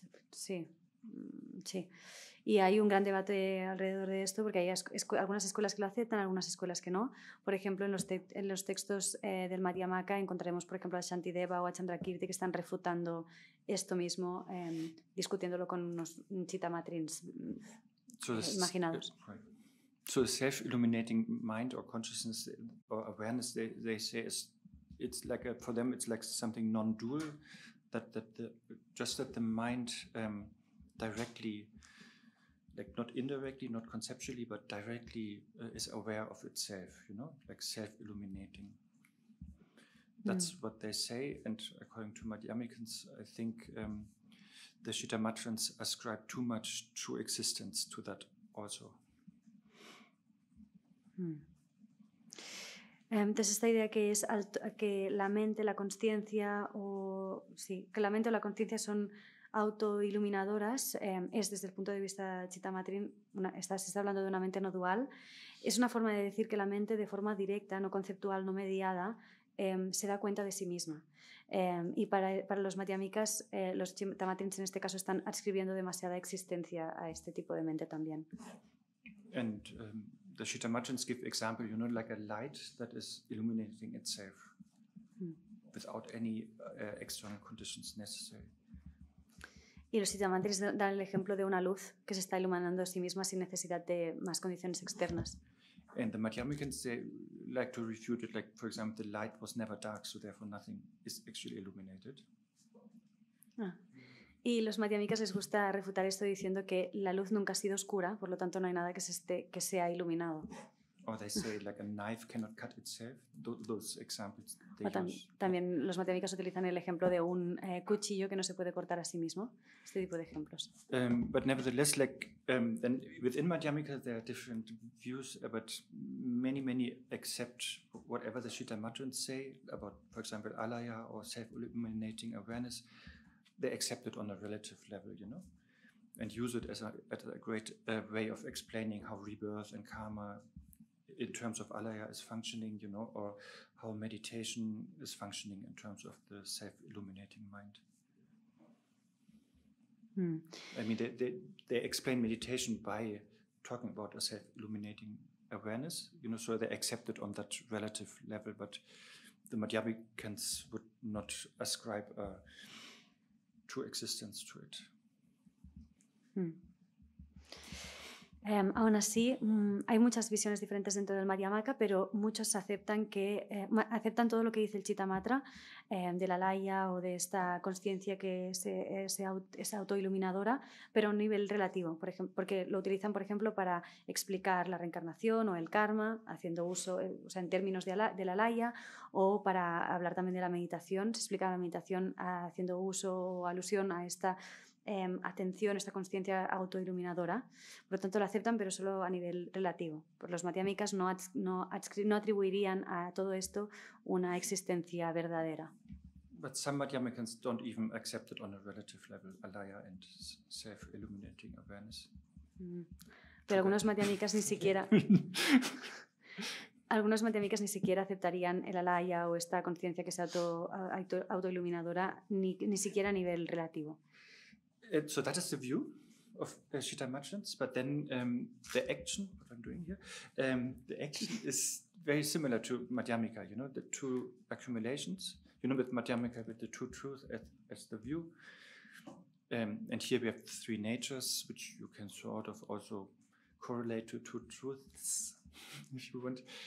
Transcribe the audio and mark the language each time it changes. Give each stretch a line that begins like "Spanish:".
Spanish: Sí. Y hay un gran debate alrededor de esto porque hay algunas escuelas que lo aceptan, algunas escuelas que no. Por ejemplo, en los textos del Madhyamaka encontraremos, por ejemplo, a Shantideva o a Chandrakirti que están refutando esto mismo, discutiéndolo con unos chitamatrins imaginados.
English: So the self-illuminating mind or consciousness or awareness, they say, it's like something non-dual, that the mind directly, like not indirectly, not conceptually, but directly is aware of itself, you know, like self-illuminating. That's what they say. And according to Madhyamikins, I think the Shitamatrans ascribe too much true existence to that also.
Spanish: Entonces esta idea que es que la mente, la consciencia o sí, que la mente o la consciencia son autoiluminadoras es desde el punto de vista chitamatrin, se está hablando de una mente no dual, es una forma de decir que la mente de forma directa, no conceptual, no mediada, se da cuenta de sí misma. Y para los madhyamikas, los chitamatrins en este caso están adscribiendo demasiada existencia a este tipo de mente también.
English: The Shitamachans give example, you know, like a light that is illuminating itself without any external conditions necessary.
Spanish: Y los Shitamachans dan el ejemplo de una luz que se está iluminando a sí misma sin necesidad de más condiciones externas.
English: And the Madhyamikans, they like to refute it, like, for example, the light was never dark, so therefore nothing is actually illuminated.
Spanish: Y los madhyamikas les gusta refutar esto diciendo que la luz nunca ha sido oscura, por lo tanto no hay nada que sea iluminado.
English: Or they say like a knife cannot cut itself. Those examples they use.
Spanish: También los madhyamikas utilizan el ejemplo de un cuchillo que no se puede cortar a sí mismo. Este tipo de ejemplos.
English: But nevertheless, like then within madhyamika there are different views, but many accept whatever the Shitamatrans say about, for example, alaya or self-illuminating awareness. They accept it on a relative level, you know, and use it as a great way of explaining how rebirth and karma in terms of alaya is functioning, you know, or how meditation is functioning in terms of the self-illuminating mind. I mean, they explain meditation by talking about a self-illuminating awareness, you know, so they accept it on that relative level, but the Madhyamikans would not ascribe a true existence to it.
Spanish: Aún así, hay muchas visiones diferentes dentro del Madhyamaka, pero muchos aceptan que aceptan todo lo que dice el Chitamatra de la laya o de esta consciencia que es autoiluminadora, pero a un nivel relativo, por ejemplo, porque lo utilizan, por ejemplo, para explicar la reencarnación o el karma, haciendo uso, o sea, en términos de la laya, o para hablar también de la meditación, se explica la meditación haciendo uso o alusión a esta atención, esta consciencia autoiluminadora. Por lo tanto, lo aceptan, pero solo a nivel relativo. Por los madhyamikas no atribuirían a todo esto una existencia verdadera.
English: But some madhyamikans don't even accept it on a relative level, alaya and self-illuminating awareness.
Spanish: Pero algunos madhyamikas ni siquiera... Algunos matemáticas ni siquiera aceptarían el alaya o esta conciencia que sea autoiluminadora ni siquiera a nivel relativo.
English: So that is the view of Shitamachans, but then the action, what I'm doing here, the action is very similar to Madhyamika, you know, the two accumulations, you know, with Madhyamika, with the two truths as the view. And here we have three natures, which you can sort of also correlate to two truths. if you want.